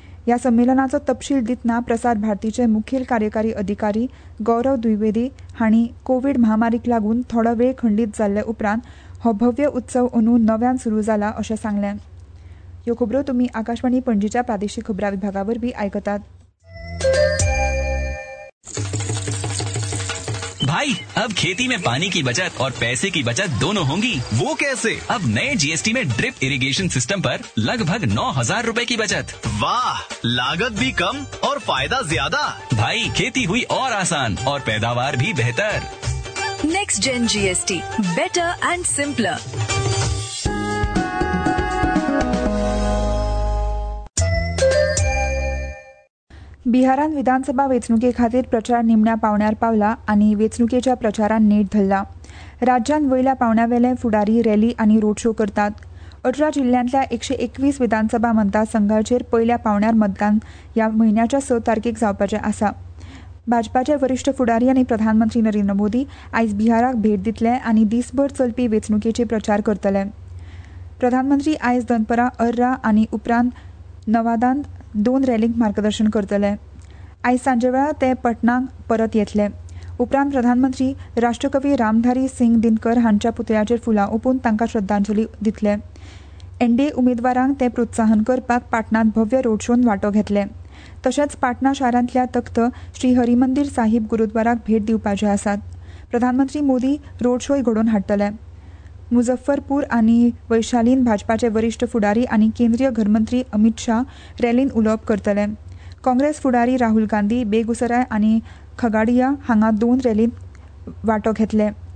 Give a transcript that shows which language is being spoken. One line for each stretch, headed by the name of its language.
Konkani: या संमेलनाचा तपशील दितना प्रसार भारतीचे मुखेल कार्यकारी अधिकारी गौरव द्विवेदी हांणी कोविड महामारीक लागून थोडा वेळ खंडीत जाल्ले उपरांत हो भव्य उत्सव अंदू नव्यान सुरू जाला अशें सांगलें. ह्यो खबरो तुम्ही आकाशवाणी पणजीच्या प्रादेशीक खबरां विभागावरवीं आयकतात.
Hindi: भाई अब खेती में पानी की बचत और पैसे की बचत दोनों होंगी. वो कैसे? अब नए जीएसटी में ड्रिप इरिगेशन सिस्टम पर लगभग 9000 रुपए की बचत. वाह, लागत भी कम और फायदा ज्यादा. भाई खेती हुई और आसान और पैदावार भी बेहतर.
English: Next gen GST, better and simpler.
Konkani: बिहारांत विधानसभा वेंचणुके खातीर प्रचार निमण्या पावण्यार पावला आनी वेंचणुकेच्या प्रचारान नेट धरला. राज्यांत वयल्या पावण्यावेले फुडारी रॅली आनी रोड शो करतात. 18 जिल्ह्यांतल्या 121 विधानसभा मतदारसंघाचेर पयल्या पावण्यार मतदान ह्या म्हयन्याच्या 6 तारखेक जावपाचे आसा. भाजपाचे वरिष्ठ फुडारी आनी प्रधानमंत्री नरेंद्र मोदी आयज बिहाराक भेट दितले आनी दिसभर चलपी वेंचणुकेचे प्रचार करतले. प्रधानमंत्री आयज दनपरा अर्रा आनी उपरांत नवादांत 2 रॅलींक मार्गदर्शन करतले. आयज सांजे वेळार ते पटणाक परत येतले. उपरांत प्रधानमंत्री राष्ट्रकवी रामधारी सिंग दिनकर हांच्या पुतळ्याचेर फुलां ओंपून तांकां श्रद्धांजली दितले. एनडीए उमेदवारांक ते प्रोत्साहन करपाक पाटणांत भव्य रोड शोन वांटो घेतले. तशेंच पाटणा शारांतल्या तख्त श्री हरिमंदीर साहिब गुरुद्वाराक भेट दिवपाचे आसात. प्रधानमंत्री मोदी रोड शोय घडोवन हाडटले. मुझफ्फरपूर आनी वैशालीन भाजपाचे वरिष्ठ फुडारी आनी केंद्रीय घरमंत्री अमित शाह रॅलीन उलोवप करतले. काँग्रेस फुडारी राहुल गांधी बेगुसराय आनी खगाडिया हांगा 2 रॅलींत वांटो घेतले.